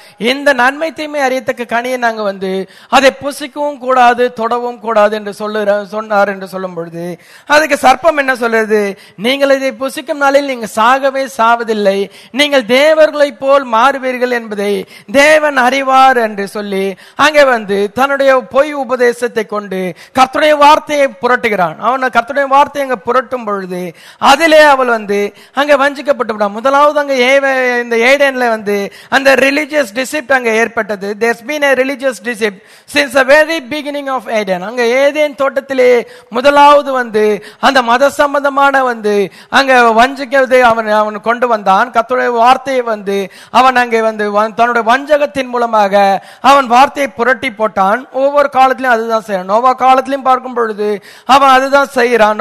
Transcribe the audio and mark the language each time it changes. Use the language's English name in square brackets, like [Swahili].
[Tamil] இந்த நன்மை தீமை அறியத்தக்க கனியை நாங்க வந்து அதை புசிக்கவும் கூடாது தொடவும் கூடாது என்று சொன்னார் என்று சொல்லும் பொழுது அதுக்கு சர்ப்பம் என்ன சொல்றது, நீங்கள் இதை புசிக்கும் நாளில் நீங்கள் சாகவே சாவதில்லை, நீங்கள் தேவர்களை போல் மாறுவீர்கள் என்பதை தேவன் அறிவார் என்று சொல்லி அங்கே வந்து தன்னுடைய பொய் உபதேசத்தை கொண்டு கர்த்தருடைய வார்த்தையை புரட்டுகிறான். அவன் கர்த்தருடைய வார்த்தை அங்க புரட்டும் பொழுது அதிலே அவள் வந்து அங்க வஞ்சிக்கப்பட்டு விடும். முதலாவது அங்க இந்த ஏடன்ல வந்து அந்த [English] religious deceit [Tamil] அங்க ஏற்பட்டது. [English] There's been a religious deceit since the very beginning of Eden. [Tamil] அங்க ஏதேன் தோட்டத்திலே முதலாவது வந்து அந்த மத சம்பந்தமான வந்து அங்க வஞ்சகத்தை அவன் கொண்டு வந்தான். கர்த்தருடைய வார்த்தையை வந்து அவன் அங்க வந்து தன்னுடைய வஞ்சகத்தின் மூலமாக அவன் வார்த்தையை புரட்டி போட்டான். ஒவ்வொரு காலத்திலும் அதுதான் செய்யறான். நோவா காலத்திலும் பார்க்கும் பொழுது அவன் அதுதான் செய்யறான்.